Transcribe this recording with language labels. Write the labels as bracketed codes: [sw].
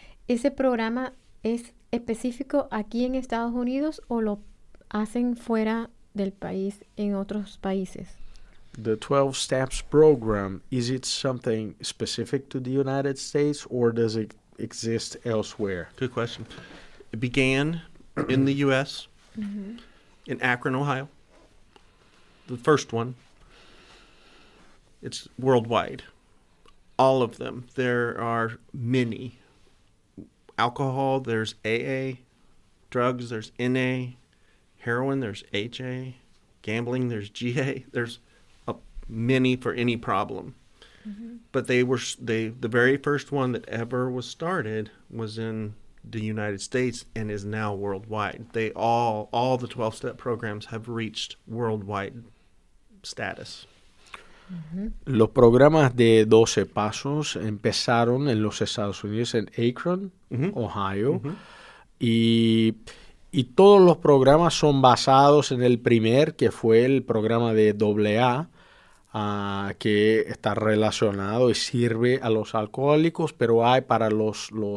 [es] ¿Ese programa es específico aquí en Estados Unidos o lo hacen fuera del país, en otros países? [en] The 12 steps program, is it something specific to the United States or does it exist elsewhere? Good question. It began in the U.S. In Akron, Ohio. The first one. It's worldwide. All of them. There are many. Alcohol, there's AA. Drugs, there's NA. Heroin, there's HA. Gambling, there's GA. There's many for any problem. But the very first one that ever was started was in the United States and is now worldwide. All the 12-step programs have reached worldwide status. [es] Los programas de 12 pasos empezaron en los Estados Unidos, en Akron, Ohio, y todos los programas son basados en el primer, que fue el programa de AA, que está relacionado y sirve a los alcohólicos, pero hay para los